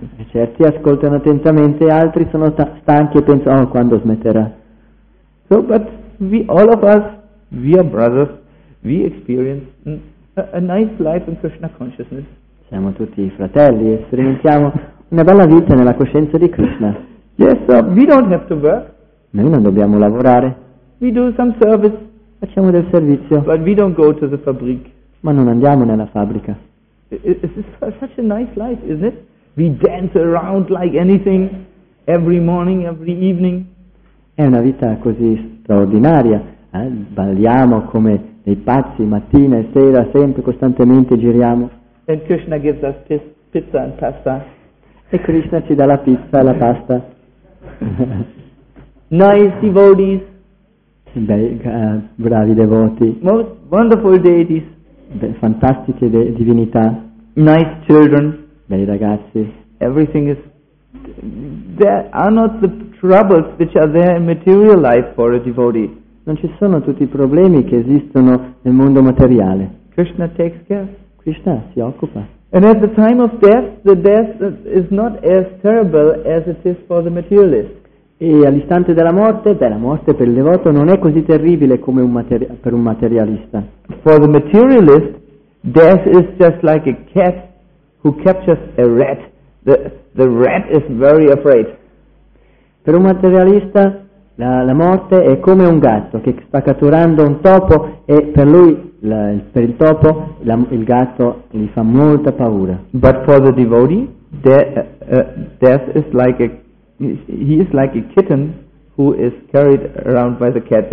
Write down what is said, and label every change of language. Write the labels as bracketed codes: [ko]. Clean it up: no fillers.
[it] Certi ascoltano attentamente, altri sono stanchi e pensano, oh, quando smetterà? [en] So, but we, all of us, we are brothers, we experience a nice life in Krishna consciousness. [it] Siamo tutti fratelli e sperimentiamo una bella vita nella coscienza di Krishna. [en] Yes, so we don't have to work. [it] Noi non dobbiamo lavorare. [en] We do some service. [it] Facciamo del servizio. [en] But we don't go to the fabric. [it] Ma non andiamo nella fabbrica. [en] It's such a nice life, isn't it? We dance around like anything, every morning, every evening. [it] È una vita così straordinaria. Balliamo come dei pazzi, mattina e sera, sempre, costantemente giriamo. [en] And Krishna gives us pizza and pasta. [it] E Krishna ci dà la pizza e la pasta. [en] Nice devotees. [it] Bravi devoti. [en] Most wonderful deities. [it] Fantastiche divinità. [en] Nice children. [it] Bei ragazzi. [en] Everything is there are not the troubles which are there in material life for a devotee. [it] Non ci sono tutti I problemi che esistono nel mondo materiale. [en] Krishna takes care. [it] Krishna si occupa. [en] And at the time of death, the death is not as terrible as it is for the materialist. [it] E all'istante della morte, beh, la morte per il devoto non è così terribile come per un materialista. [en] For the materialist, death is just like a cat who captures a rat. The rat is very afraid. [it] Per un materialista, la morte è come un gatto che sta catturando un topo e per lui, per il topo, il gatto gli fa molta paura. [en] But for the devotee, death is like he is like a kitten who is carried around by the cat.